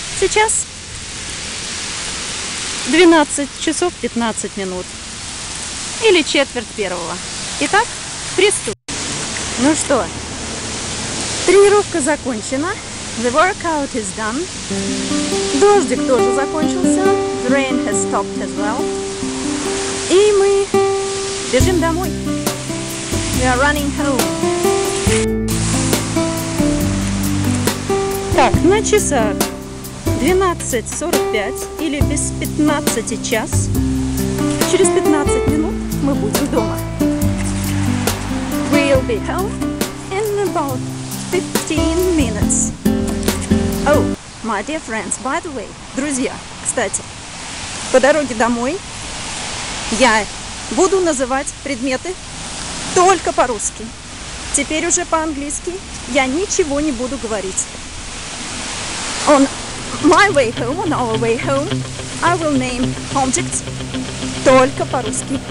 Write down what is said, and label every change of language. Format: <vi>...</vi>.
<ru>Сейчас 12 часов 15 минут. Или четверть первого. Итак, приступим. Ну что, тренировка закончена.</ru> <en>The workout is done.</en> <ru>Дождик тоже закончился.</ru> <en>The rain has stopped as well.</en> <ru>И мы бежим домой.</ru> <en>We are running home. Thank you.</en> <ru>Итак, на часах 12:45 или без 15 час. Через 15 минут мы будем дома.</ru> <en>We'll be home in about 15 minutes. Oh, my dear friends, by the way,</en> <ru>друзья, кстати, по дороге домой я буду называть предметы только по-русски. Теперь уже по-английски я ничего не буду говорить.</ru> <en>On my way home, on our way home, I will name objects</en> <ru>только по-русски.</ru>